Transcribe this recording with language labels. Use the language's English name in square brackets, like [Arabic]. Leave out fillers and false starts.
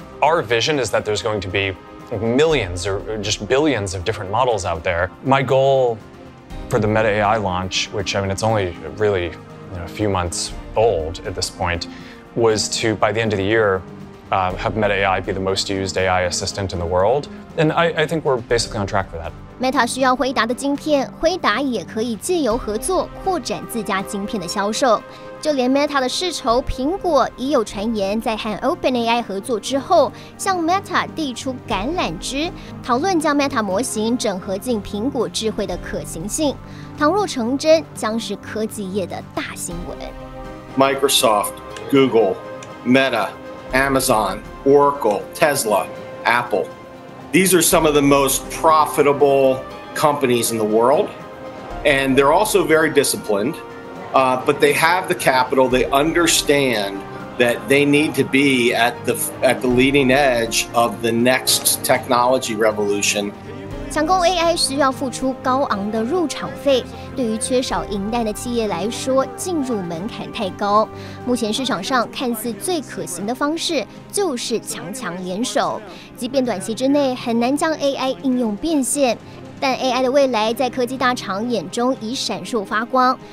[English] Our vision is that there's going to be millions or just billions of different models out there. My goal for the Meta AI launch, which I mean, it's only really a few months old at this point, was to, by the end of the year, have Meta AI be the most used AI assistant in the world. And I think we're basically on track for that. [Chinese] Meta 需要辉达的晶片，辉达也可以借由合作扩展自家晶片的销售。就连 Meta 的世仇苹果已有传言，在和 OpenAI 合作之后，向 Meta 递出橄榄枝，讨论将 Meta 模型整合进苹果智慧的可行性。倘若成真，将是科技业的大新闻。 [English] Microsoft, Google, Meta, Amazon, Oracle, Tesla, Apple. These are some of the most profitable companies in the world, and they're also very disciplined, but they have the capital. They understand that they need to be at the leading edge of the next technology revolution. [Chinese] 抢攻 AI 需要付出高昂的入场费，对于缺少银弹的企业来说，进入门槛太高。目前市场上看似最可行的方式就是强强联手，即便短期之内很难将 AI 应用变现，但 AI 的未来在科技大厂眼中已闪烁发光。